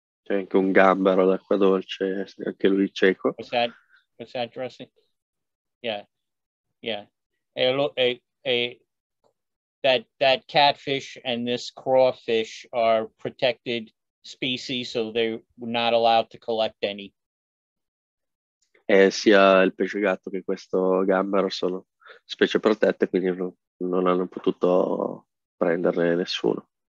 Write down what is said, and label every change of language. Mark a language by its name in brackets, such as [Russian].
[Italian] C'è anche un gambero d'acqua dolce, anche lui cieco. [English] What's that dressing? Yeah, yeah. That catfish and this crawfish are protected species, so they're not allowed to collect any. [Italian] Sia il pesce gatto che questo gambero sono specie protette, quindi non hanno potuto prenderne nessuno.